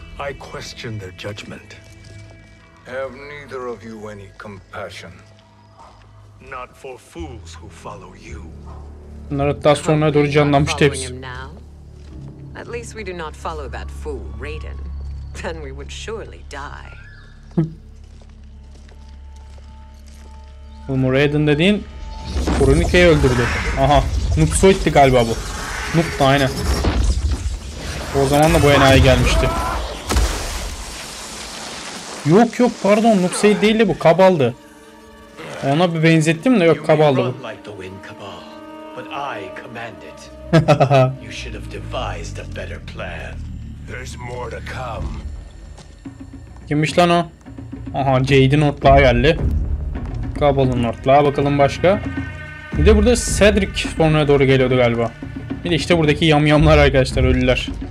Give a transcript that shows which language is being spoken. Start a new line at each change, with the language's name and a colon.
English: I question their judgment. Have neither of you any compassion. Not for fools who follow you.
Turkish: Bunlar hatta sonra doğru canlanmıştı hepsi.
English: At least we do not follow that fool Raiden. Then we would surely die.
Turkish: Oğlum Raiden dediğin Kronike'yi öldürdü. Aha, Nuksoid'ti galiba bu. Nuk da aynen. O zaman da bu enayi gelmişti. Yok yok, pardon, Nuksoid değil de bu Kabal'dı. Ona bir benzettim de, yok Kabal'dı bu.
English: But I command it. You should have devised a better plan. There's more to come.
Turkish: Kimmiş lan o? Aha, Jade'in ortağı geldi. Kabal'ın ortağı, bakalım başka. Bir de burada Cedric sonraya doğru geliyordu galiba. Bir de işte buradaki yamyamlar arkadaşlar, ölüler.